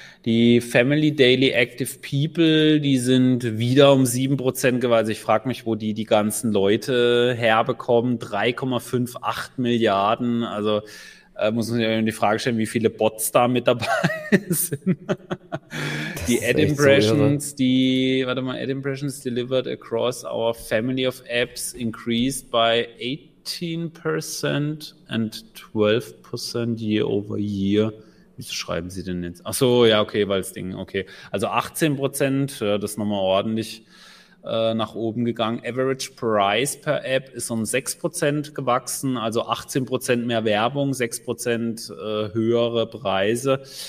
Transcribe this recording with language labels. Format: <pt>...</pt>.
<de>Die Family Daily Active People, die sind wieder um 7% gewachsen. Also ich frage mich, wo die ganzen Leute herbekommen. 3,58 Milliarden. Also muss man sich die Frage stellen, wie viele Bots da mit dabei sind. Die Das</de> <en>Ad</en> <de>ist echt so irre.</de> <en>Impressions,</en> <de>die, warte mal,</de> <en>Ad Impressions delivered across our family of apps increased by 18% and 12% year over year.</en> <de>Wieso schreiben Sie denn jetzt? Ach so, ja, okay, weil das Ding, okay. Also 18%, ja, das ist nochmal ordentlich nach oben gegangen. Average Price per App ist um 6% gewachsen, also 18% mehr Werbung, 6% höhere Preise.</de>